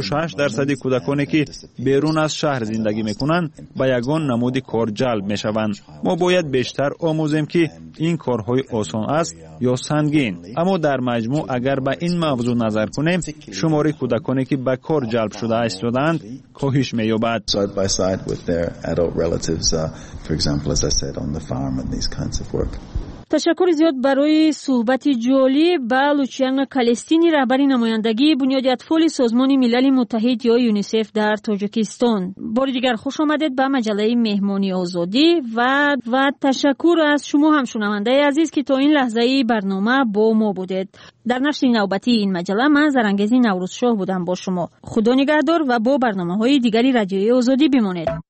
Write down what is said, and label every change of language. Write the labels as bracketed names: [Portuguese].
[Persian] 66% کودکانی که بیرون از شهر زندگی میکنند به یگان نمود کار جلب میشوند ما باید بیشتر آموزیم که این کارهای آسان است یا سنگین اما در مجموع اگر به این موضوع نظر کنیم شماره کودکانی که به کار جلب شده هستند کاهش مییابد [English] side by side with their adult relatives for example as I said on the farm and these kinds of work [Persian] تشکر زیاد برای صحبت جالی با لوچیانا کالستینی رهبری نمایندگی بنیاد اطفال سازمان ملل متحد یا یونیسف در تاجیکستان بار دیگر خوش آمدید به مجله مهمانی آزادی و تشکر از شما هم شنونده عزیز که تا این لحظه برنامه با ما بودید در نشر نوبتی این مجله من زرنگیز نوروز شاه بودم با شما خدا نگهدار و با برنامه های دیگری رادیوی آزادی بمانید